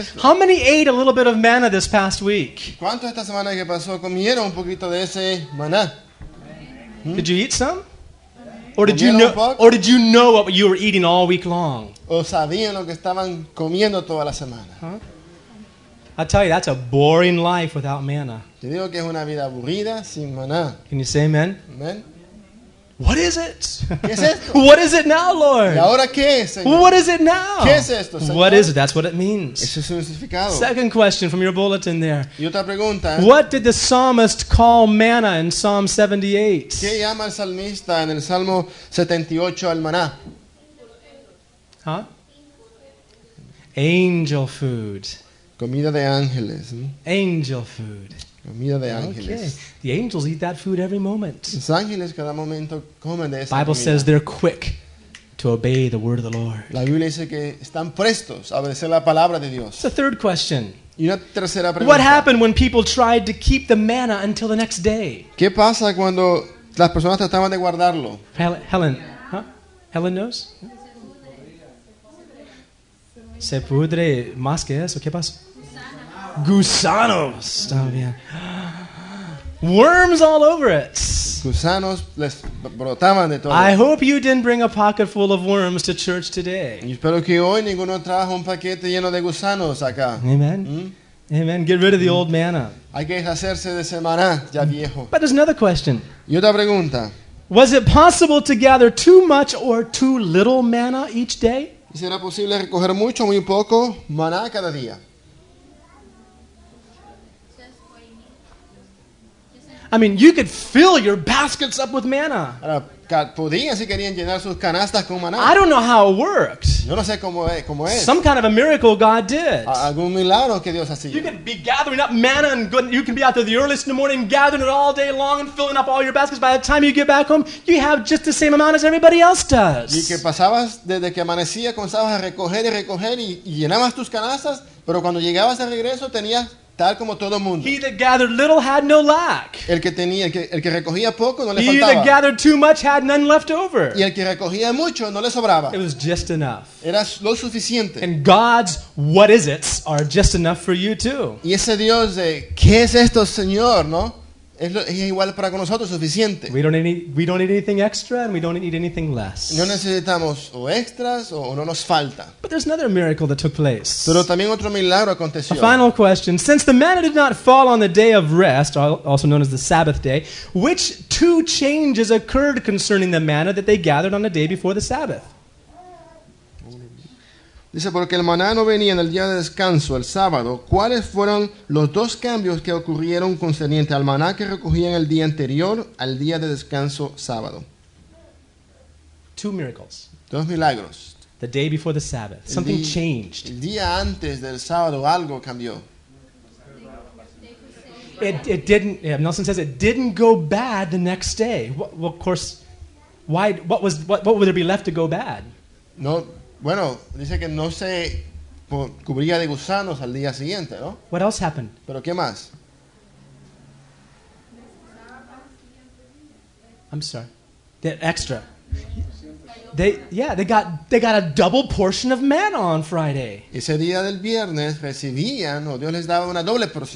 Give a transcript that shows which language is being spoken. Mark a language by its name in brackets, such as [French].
[English] How many ate a little bit of manna this past week? [Spanish] ¿Cuánto esta semana que pasó comieron un poquito de ese maná? [English] Did you eat some? Or did you know what you were eating all week long? [Spanish] ¿O sabían lo que estaban comiendo toda la semana? Huh? [English] I tell you, that's a boring life without manna. [Spanish] Te digo que es una vida aburrida sin maná. [English] Can you say amen? Amen. What is it? [Spanish] ¿Qué es esto? [English] What is it now, Lord? [Spanish] ¿Y ahora qué, Señor? [English] What is it now? [Spanish] ¿Qué es esto, Señor? [English] What is it? That's what it means. [Spanish] Eso es un significado. [English] Second question from your bulletin there. [Spanish] Y otra pregunta. [English] What did the psalmist call manna in Psalm 78? [Spanish] ¿Qué llama el salmista en el Salmo 78 al maná? [English] Huh? Angel food. [Spanish] Comida de ángeles. [English] Angel food. [Spanish] Comida de ángeles. [English] Okay. The angels eat that food every moment. [Spanish] Los ángeles cada momento comen de esa comida. [English] Bible says they're quick to obey the word of the Lord. [Spanish] La Biblia dice que están prestos a obedecer la palabra de Dios. [English] The third question. [Spanish] Y una tercera pregunta. [English] What happened when people tried to keep the manna until the next day? [Spanish] ¿Qué pasa cuando las personas trataban de guardarlo? [English] Helen, huh? Helen knows? [Spanish] Se pudre más que eso. ¿Qué pasa? Gusanos. [English] Oh, yeah. Worms all over it. [Spanish] Gusanos les brotaban de todo. [English] I hope you didn't bring a pocket full of worms to church today. [Spanish] Y espero que hoy ninguno trajo un paquete lleno de gusanos acá. [English] Amen. Amen. Get rid of the old manna. [Spanish] Hay que deshacerse de ese maná ya viejo. [English] But there's another question. [Spanish] Y otra pregunta. [English] Was it possible to gather too much or too little manna each day? [Spanish] ¿Será posible recoger mucho o muy poco maná cada día? [English] I mean, you could fill your baskets up with manna. [Spanish] Podían, si querían, llenar sus canastas con maná. [English] I don't know how it worked. [Spanish] Yo no sé cómo es. [English] Some kind of a miracle God did. [Spanish] Algún milagro que Dios hacía. [English] You can be gathering up manna and you can be out there the earliest in the morning gathering it all day long and filling up all your baskets. By the time you get back home, you have just the same amount as everybody else does. [Spanish] Y que pasabas desde que amanecía, comenzabas a recoger y recoger y llenabas tus canastas, pero cuando llegabas de regreso tenías tal como todo mundo. [English] He that gathered little had no lack. [Spanish] El que tenía, el que recogía poco, no le [English] he [Spanish] faltaba. [English] That gathered too much had none left over. [Spanish] Y el que recogía mucho, no le sobraba. [English] It was just enough. [Spanish] Era lo suficiente. [English] And God's what is it are just enough for you too. [Spanish] Y ese Dios de ¿qué es esto, Señor? ¿No? Es, lo, es igual para con nosotros, suficiente. [English] We don't need anything extra and we don't need anything less. [Spanish] No necesitamos o extras o no nos falta. [English] But there's another miracle that took place. [Spanish] Pero también otro milagro aconteció. [English] A final question. Since the manna did not fall on the day of rest, also known as the Sabbath day, which two changes occurred concerning the manna that they gathered on the day before the Sabbath? [Spanish] Dice, porque el maná no venía en el día de descanso, el sábado. ¿Cuáles fueron los dos cambios que ocurrieron concerniente al maná que recogían el día anterior al día de descanso sábado? [English] Two miracles. [Spanish] Dos milagros. [English] The day before the Sabbath. Something changed. [Spanish] El día antes del sábado algo cambió. [English] It didn't, yeah, Nelson says it didn't go bad the next day. Well, of course, why? What would there be left to go bad? [Spanish] No. Bueno, dice que no se cubría de gusanos al día siguiente, ¿no? [English] What else happened? [Spanish] ¿Pero qué más? [English] I'm sorry. They're extra. They got a double portion of manna on Friday. [Spanish] Ese día del viernes recibían, o Dios les daba una doble porción.